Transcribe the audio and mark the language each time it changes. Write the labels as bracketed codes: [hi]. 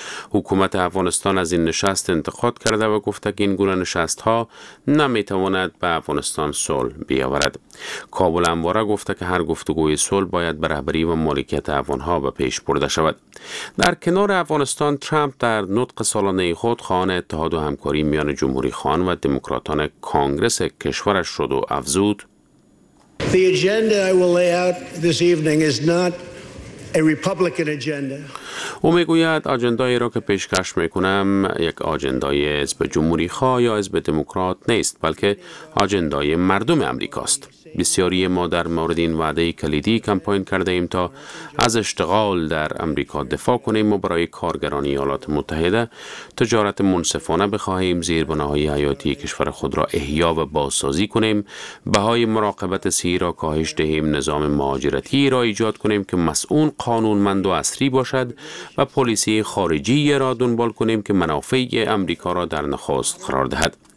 [fa] حکومت افغانستان از این نشست انتقاد کرده و گفته که این گونه نشست‌ها نمیتواند به افغانستان صلح بیاورد. کابل همواره گفته که هر گفتگوی صلح باید به رهبری و مالکیت افغانها به پیش برده شود. در کنار افغانستان، ترامپ در نطق سالانه خود خواهان اتحاد و همکاری میان جمهوری خان و دموکراتان کانگرس کشورش شد و افزود: [en] The agenda I will lay out this evening is not a Republican agenda. [fa] او میگوید آجندایی را که پیشکش میکنم یک آجندای حزب جمهوری خواه یا حزب دموکرات نیست، بلکه آجندای مردم امریکاست. بسیاری ما در مورد این وعده کلیدی کمپاین کرده ایم تا از اشتغال در امریکا دفاع کنیم و برای کارگران ایالات متحده تجارت منصفانه بخواهیم، زیربناهای حیاتی کشور خود را احیا و بازسازی کنیم، بهای مراقبت سی را کاهش دهیم، نظام مهاجرتی را ایجاد کنیم که مسئول قانونمند و اصری باشد و پلیسی خارجی را دنبال کنیم که منافع امریکا را در نخست قرار دهد.